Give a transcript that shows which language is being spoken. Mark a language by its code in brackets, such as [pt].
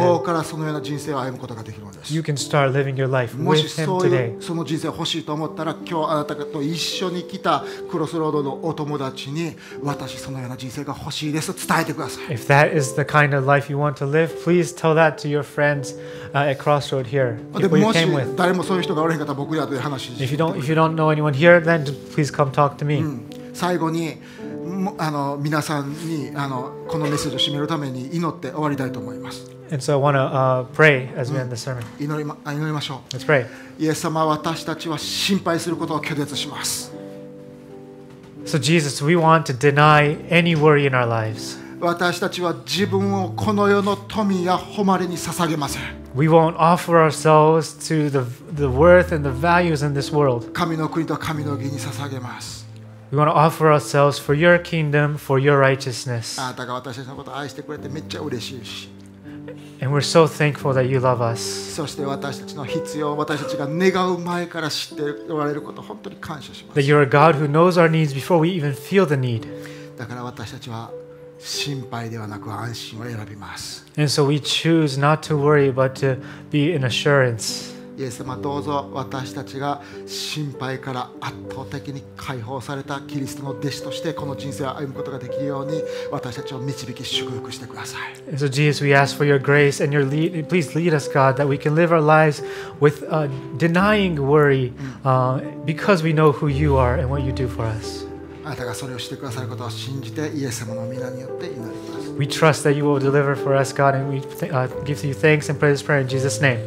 [ja] 今日からそのような人生を歩むことができるんです。 [en] You can start living your life with Him today. [ja] もしそういうその人生欲しいと思ったら、今日あなたと一緒に来たクロスロードのお友達に、私そのような人生が欲しいです。伝えてください。 [en] If that is the kind of life you want to live, please tell that to your friends at Crossroad here. People you came with. [ja] 誰もそういう人がおらへんかったら僕らで話して。 [en] If you don't know anyone here, then please come talk to me. [ja] 最後にあの皆さんにあのこのメッセージを締めるために祈って終わりたいと思います。祈りましょう。 [en] Let's pray. [ja] イエス様、私たちは心配することを拒絶します。 [en] So Jesus, we want to deny any worry in our lives. [ja] 私たちは自分をこの世の富や誉れに捧げません。 [en] We won't offer ourselves to the worth and the values in this world. [ja] 神の国と神の義に捧げます。 [en] We want to offer ourselves for your kingdom, for your righteousness. [ja] あなたが私のことを愛してくれてめっちゃ嬉しいし。 [en] And we're so thankful that you love us. [ja] そして私たちの必要、私たちが願う前から知っておられること、本当に感謝します。 [en] That you're a God who knows our needs before we even feel the need. [ja] だから私たちは心配ではなく安心を選びます。 [en] And so we choose not to worry, but to be in assurance. [ja] イエス様、どうぞ私たちが心配から圧倒的に解放されたキリストの弟子としてこの人生を歩むことができるように私たちを導き祝福してください。 [en] And so Jesus, we ask for your grace and your lead. Please lead us, God, that we can live our lives with denying worry, because we know who you are and what you do for us. [ja] あなたがそれをしてくださることを信じてイエス様の御名によって祈ります。 [en] We trust that you will deliver for us, God, and we give you thanks and pray this prayer in Jesus' name.